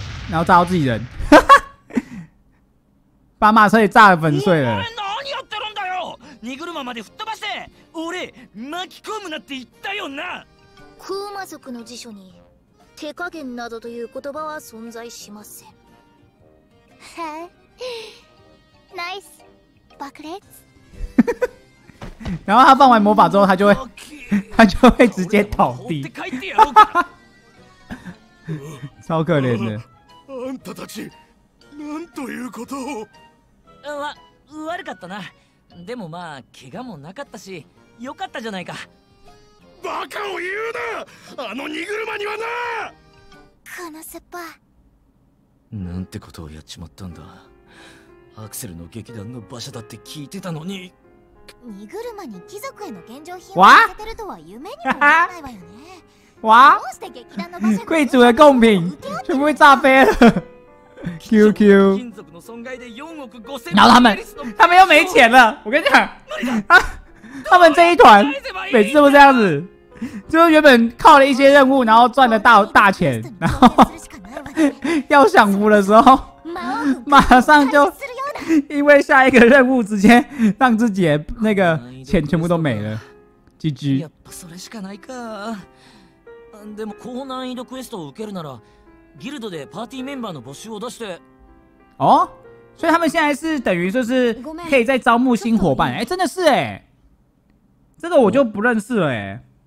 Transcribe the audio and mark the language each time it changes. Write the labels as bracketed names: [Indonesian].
[Chinese] 然后炸到自己人，把马车也炸得粉碎了。 [Japanese] 何やってるんだよ！荷車まで吹っ飛ばせ。俺巻き込むなって言ったよな。クーマ族の辞書に手加減などという言葉は存在しません。はい、ナイス爆裂。 [Chinese] 然后他放完魔法之后，他就会直接倒地，超可怜的。 [Japanese] あんたたち、なんということを。悪かったな。でもまあ怪我もなかったし、良かったじゃないか。バカを言うな。あの荷車にはな。このスパ。なんてことをやっちまったんだ。アクセルの劇団の馬車だって聞いてたのに。荷車に貴族への献上品を載せてるとは夢にも思わないわよね。わ？どうして劇団の貴族の [Chinese] 贡品全部炸飞了。 QQ。 [Japanese] 金属の損害で4億5000万。 [Chinese] 然后他们又没钱了。我跟你讲，他们这一团每次都这样子，就是原本靠了一些任务，然后赚了大钱，然后要享福的时候，马上就。因为下一个任务直接让自己那个钱全部都没了。 GG。 [Japanese] やっぱそれしかないか。でも高難易度クエストを受けるならギルドでパーティーメンバーの募集を出して。 [Chinese] 哦，所以他们现在是等于就是可以再招募新伙伴。哎，真的是哎，这个我就不认识了哎。